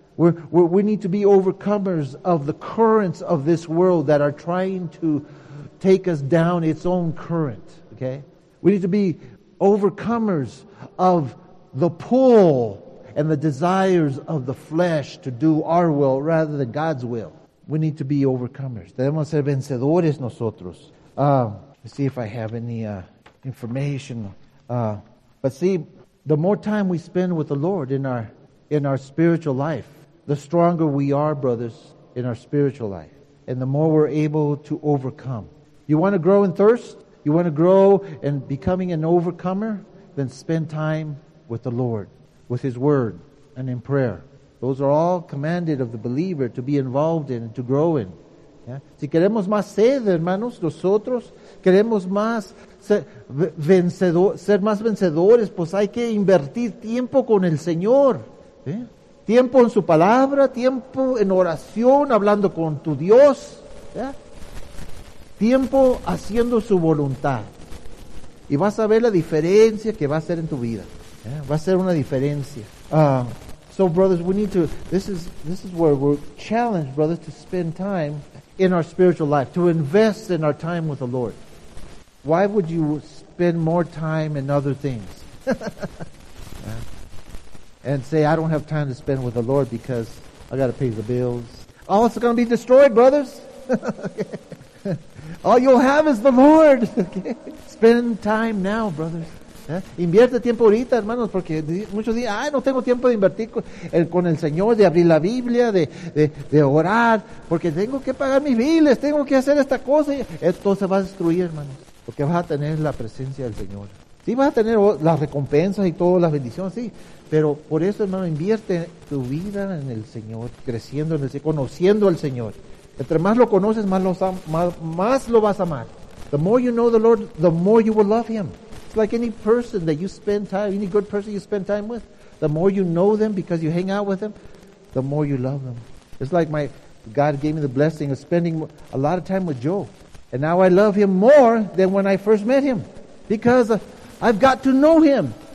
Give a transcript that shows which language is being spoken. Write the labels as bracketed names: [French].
[English] We need to be overcomers of the currents of this world that are trying to take us down its own current. Okay? We need to be overcomers of the pull and the desires of the flesh to do our will rather than God's will. We need to be overcomers. [Spanish] Debemos ser vencedores nosotros. [English] Let's see if I have any information. But see, the more time we spend with the Lord in our spiritual life, the stronger we are, brothers, in our spiritual life. And the more we're able to overcome. You want to grow in thirst? You want to grow in becoming an overcomer? Then spend time with the Lord, with His Word, and in prayer. Those are all commanded of the believer to be involved in and to grow in. Yeah? [Spanish] Si queremos más sed, hermanos, nosotros queremos más ser más vencedores, pues hay que invertir tiempo con el Señor. ¿Eh? Tiempo en su palabra, tiempo en oración, hablando con tu Dios. ¿Eh? Tiempo haciendo su voluntad. Y vas a ver la diferencia que va a hacer en tu vida. ¿Eh? Va a ser una diferencia. So brothers, we need to, this is where we're challenged, brothers, to spend time in our spiritual life, to invest in our time with the Lord. Why would you spend more time in other things? And say, I don't have time to spend with the Lord because I got to pay the bills. All else is going to be destroyed, brothers. All you'll have is the Lord. Spend time now, brothers. Invierte tiempo ahorita, hermanos, porque muchos dicen, ay, no tengo tiempo de invertir con el Señor, de abrir la Biblia, de orar, porque tengo que pagar mis biles, tengo que hacer esta cosa. Esto se va a destruir, hermanos, porque vas a tener la presencia del Señor. Sí, vas a tener las recompensas y todas las bendiciones, sí, pero por eso, hermano, invierte tu vida en el Señor, creciendo en el Señor, conociendo al Señor. Entre más lo conoces, más lo vas a amar. [English] The more you know the Lord, the more you will love Him. Like any person that you spend time, any good person you spend time with, the more you know them because you hang out with them, the more you love them. It's like God gave me the blessing of spending a lot of time with Joe. And now I love him more than when I first met him because I've got to know him.